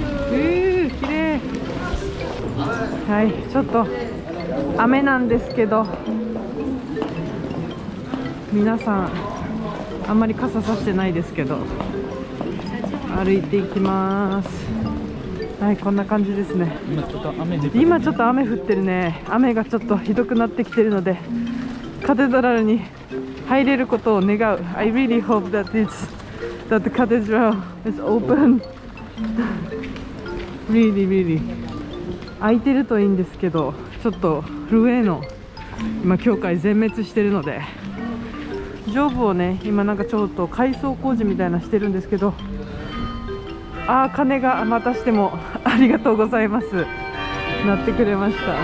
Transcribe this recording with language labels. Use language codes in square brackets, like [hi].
[ja] 綺麗。はい、ちょっと雨なんですけど、皆さんあんまり傘さしてないですけど、歩いていきます。はい、こんな感じですね。今ちょっと雨降ってるね。雨がちょっとひどくなってきてるので、カテドラルに入れることを願う。 [en] I really hope that that the cathedral is open. Really, really. [ja] 空いてるといいんですけど、ちょっとルエの今教会全滅してるので、上部をね、今なんかちょっと改装工事みたいなしてるんですけど、あー、金がまたしてもありがとうございますなってくれました。